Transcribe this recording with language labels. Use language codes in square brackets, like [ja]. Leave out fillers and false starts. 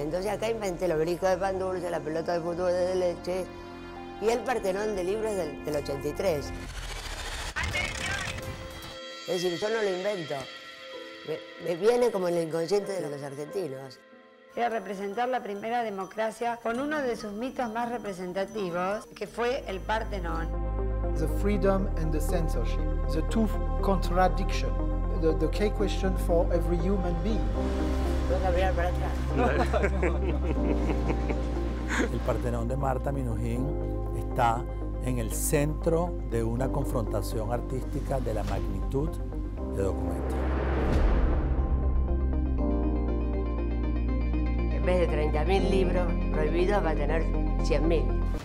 [es] Entonces acá inventé los briscos de pan dulce, la pelota de fútbol de leche y el Partenón de libros del 83. ¡Atención! Es decir, yo no lo invento. Me viene como el inconsciente de los argentinos. Era representar la primera democracia con uno de sus mitos más representativos, que fue el Partenón. [en] The freedom and the censorship, the two contradictions, the key question for every human being. [es] Voy a cambiar para atrás. El Partenón de Marta Minujín está en el centro de una confrontación artística de la magnitud de documento. En vez de 30.000 libros prohibidos, va a tener 100.000.